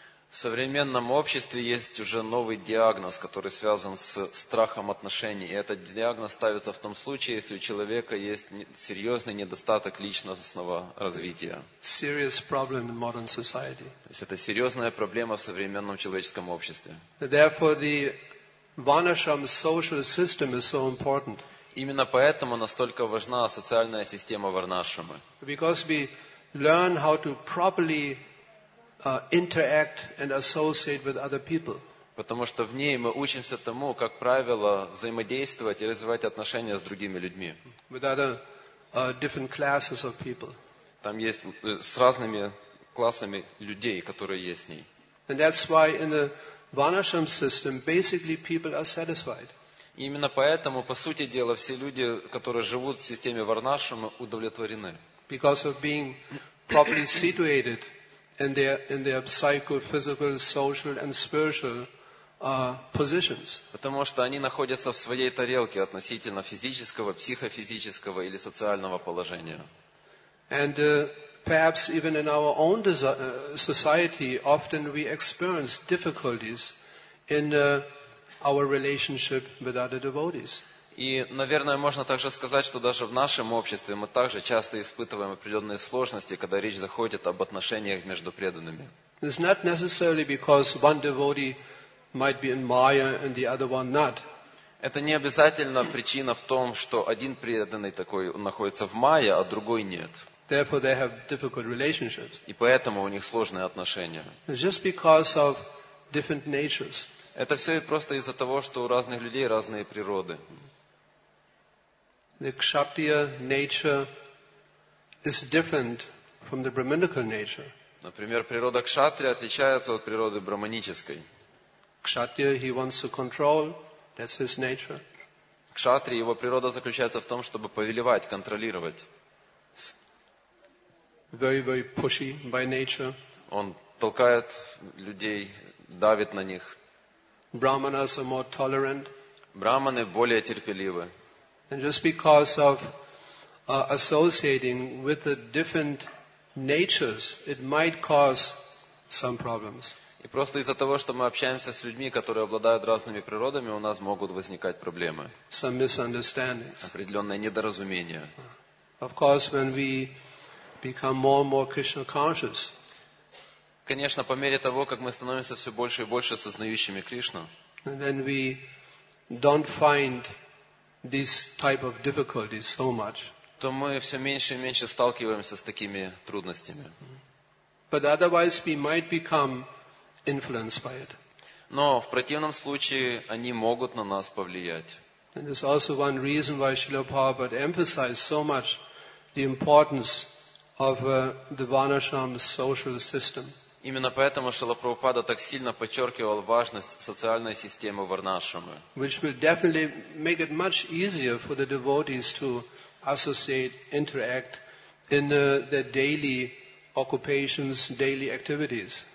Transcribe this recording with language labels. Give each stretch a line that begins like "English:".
Russian: В современном обществе есть уже новый диагноз, который связан с страхом отношений. И этот диагноз ставится в том случае, если у человека есть серьезный недостаток личностного развития.
English: Serious problem in modern society.
Russian: То есть это серьезная проблема в современном человеческом обществе.
English: Therefore, the Varnasham social system is so important.
Russian: Именно поэтому настолько важна социальная система Варнашрамы.
English: Because we learn how to properly interact and associate with other people.
Russian: Потому что в ней мы учимся тому, как правило, взаимодействовать и развивать отношения с другими людьми.
English: With other different classes of people.
Russian: Там есть с разными классами людей, которые есть в ней.
English: And that's why in the Varnashram system basically people are satisfied.
Russian: И именно поэтому, по сути дела, все люди, которые живут в системе Варнашрама, удовлетворены.
English: Because of being properly situated in their psychophysical, social and spiritual positions.
Russian: Потому что они находятся в своей тарелке относительно физического, психофизического или социального положения.
English: And perhaps even in our own society often we experience difficulties in our relationship with other devotees.
Russian: И, наверное, можно также сказать, что даже в нашем обществе мы также часто испытываем определенные сложности, когда речь заходит об отношениях между преданными.
English: It's not necessarily because one devotee might be in Maya and the other one not.
Russian: Это не обязательно причина в том, что один преданный такой находится в Майе, а другой нет.
English: Therefore, they have difficult relationships.
Russian: И поэтому у них сложные отношения.
English: It's just because of different natures.
Russian: Это все и просто из-за того, что у разных людей разные природы.
English: The kshatriya nature is different from the brahminical nature.
Russian: Например, природа кшатри отличается от природы брахманической.
English: Kshatriya, he wants to control. That's his nature.
Russian: Кшатри, его природа заключается в том, чтобы повелевать, контролировать.
English: Very, very pushy by nature.
Russian: Он толкает людей, давит на них.
English: Brahmanas are more tolerant.
Russian: Брахманы более терпеливы.
English: And just because of associating with the different natures, it might cause some problems.
Russian: И просто из-за того, что мы общаемся с людьми, которые обладают разными природами, у нас могут возникать проблемы.
English: Some misunderstandings.
Russian: Определенные недоразумения.
English: Of course, when we become more and more Krishna conscious.
Russian: Конечно, по мере того, как мы становимся все больше и больше сознающими Кришну.
English: And then we don't find these type of difficulties so much.
Russian: То мы все меньше и меньше сталкиваемся с такими трудностями.
English: But otherwise we might become influenced by it.
Russian: Но в противном случае они могут на нас повлиять.
English: And there's also one reason why Srila Prabhupada emphasized so much the importance of the Varnashrama social system.
Russian: Именно поэтому Шрила Прабхупада так сильно подчеркивал важность социальной системы Варнашрамы.
English: Which will definitely make it much easier for the devotees to associate, interact in their daily occupations, daily activities.